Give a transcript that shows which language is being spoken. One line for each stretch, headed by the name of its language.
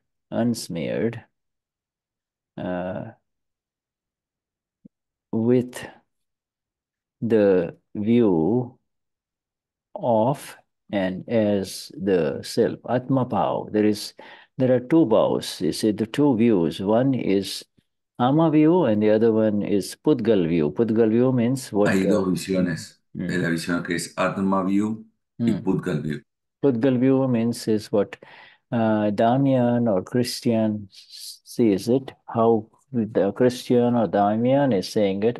English: Unsmeared, with the view of. And as the self, Atma bhav, there are two bhavs, you see, the two views. One is Ama view and the other one is Pudgal view. Pudgal view means what
Spanish: Hay dos visiones, la visión que es Atma View y Pudgal View.
English: Pudgal view means is what Damian or Christian sees it, how the Christian or Damian is saying it.